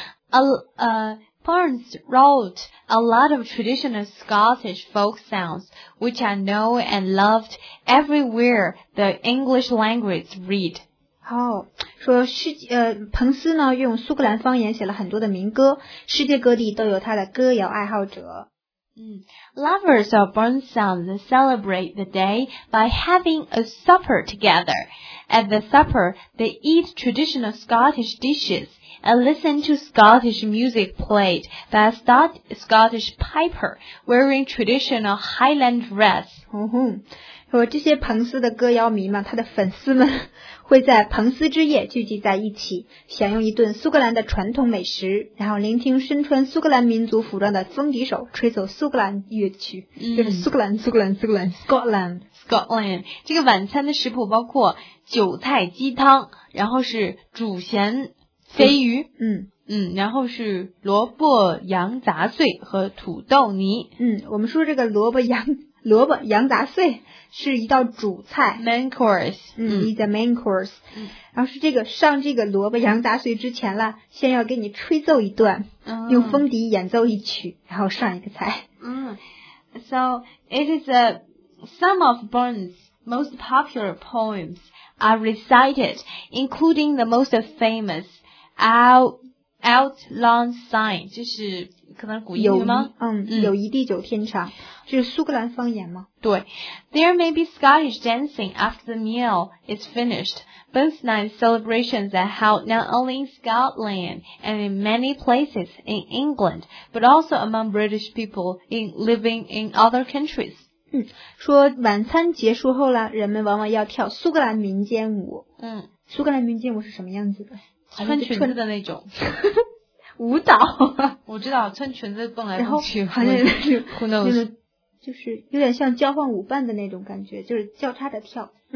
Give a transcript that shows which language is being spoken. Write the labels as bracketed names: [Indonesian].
[English] Burns wrote a lot of traditional Scottish folk sounds, which are known and loved everywhere the English language read. [Chinese] 说彭斯呢用苏格兰方言写了很多的民歌，世界各地都有他的歌谣爱好者。 [English] Lovers of Burns sounds celebrate the day by having a supper together. At the supper, they eat traditional Scottish dishes and listen to Scottish music played by a Scottish piper wearing traditional Highland dress. [Chinese] 说这些彭斯的歌谣迷们，他的粉丝们会在彭斯之夜聚集在一起，享用一顿苏格兰的传统美食，然后聆听身穿苏格兰民族服装的风笛手吹奏苏格兰乐曲，就是苏格兰 Scotland。这个晚餐的食谱包括韭菜鸡汤，然后是煮咸鲱鱼，然后是萝卜羊杂碎和土豆泥。我们说这个萝卜羊杂碎是一道主菜 [English] ，main course， is a main course。 [Chinese] 然后是这个上这个萝卜羊杂碎之前了，先要给你吹奏一段，用风笛演奏一曲，然后上一个菜。 [English] So it is some of Burns' most popular poems are recited, including the most famous Outland Sign， [Chinese] 就是。可能古英语吗？友谊地久天长，就是苏格兰方言吗？对。 [English] There may be Scottish dancing after the meal is finished. Burns Night celebrations are held not only in Scotland and in many places in England, but also among British people living in other countries. [Chinese] 说晚餐结束后呢，人们往往要跳苏格兰民间舞。苏格兰民间舞是什么样子的？穿裙子的那种。舞蹈，我知道，穿裙子蹦来蹦去，然后好像是 [English] who knows， [Chinese] 就是有点像交换舞伴的那种感觉，就是交叉着跳。